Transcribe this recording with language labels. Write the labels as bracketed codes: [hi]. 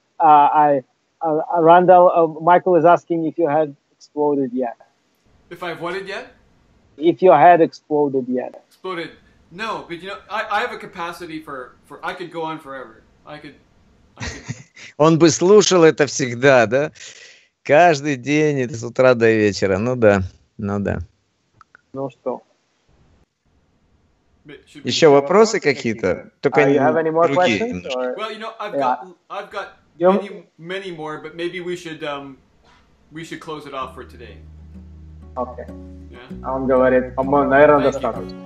[en] Michael is asking if you had exploded yet. If I've what yet? If your head exploded yet. Exploded? No, but you know, I have a capacity for I could go on forever. I could. [ru] Он бы слушал это всегда, да? Каждый день, с утра до вечера. Ну да. Ну что? Еще вопросы какие-то? Только другие. [en] Have any more questions? Well, you know, I've got many more, but maybe we should close it off for today. Okay. Yeah. [ru] Он говорит, по-моему, наверное, достаточно.